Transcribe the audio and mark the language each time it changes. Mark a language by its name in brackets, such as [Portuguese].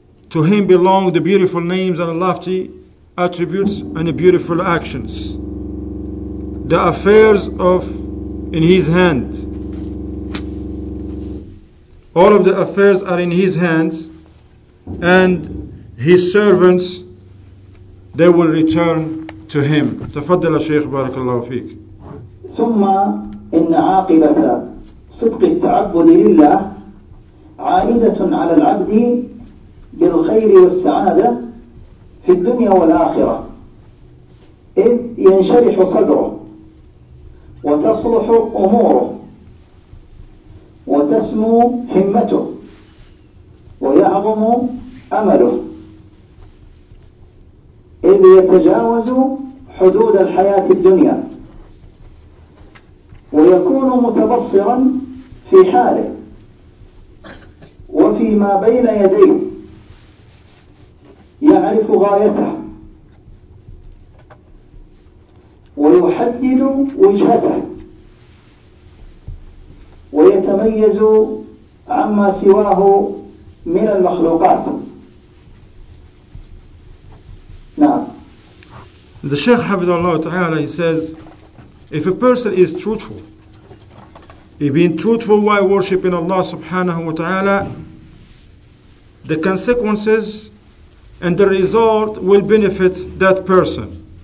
[English] To him belong the beautiful names and lofty attributes and the beautiful actions. The affairs of in his hand. All of the affairs are in his hands, and his servants, they will return to him. [Arabic] تفضل الشيخ بارك الله فيك. ثم إن عاقبة صدق التعبد لله عائدة على العبد بالخير والسعادة في الدنيا والآخرة، إذ ينشرح صدره وتصلح أموره وتسمو همته ويعظم أمله، إذ يتجاوز حدود الحياة الدنيا ويكون متبصرا في حاله وفيما بين يديه، يعرف غايته ويحدد وجهته ويتميز عما سواه من المخلوقات. [English] The Shaykh Hafidh Allah Ta'ala, he says, if a person is truthful, he being truthful while worshipping Allah subhanahu wa ta'ala, the consequences and the result will benefit that person.